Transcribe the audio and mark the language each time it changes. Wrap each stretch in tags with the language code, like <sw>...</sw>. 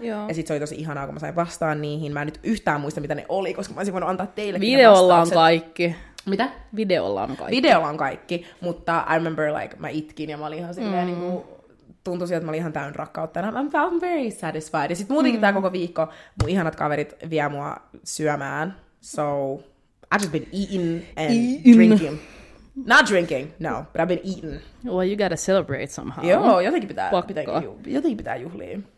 <fi>Ja sitten se oli tosi ihanaa, kun mä sain vastaan niihin. Mä en nyt yhtään muista, mitä ne oli, koska mä olisin voinut antaa teillekin videolla on kaikki. Mitä? Videolla on kaikki. Mutta</fi> <en>I remember, like,</en> <fi>mä itkin ja mä olin ihan silleen, niin kuin, tuntui siltä, että mä olin ihan täynnä rakkautta.</fi> <en>And I'm very satisfied.</en> <fi>Ja sitten muutenkin tää koko viikko mun ihanat kaverit vie mua syömään.</fi> <en>So, I've just been eating and drinking. Not drinking, no, but I've been eating. Well, you gotta celebrate somehow.</en> <fi>Joo, jotenkin pitää, jotenkin pitää juhlia.</fi>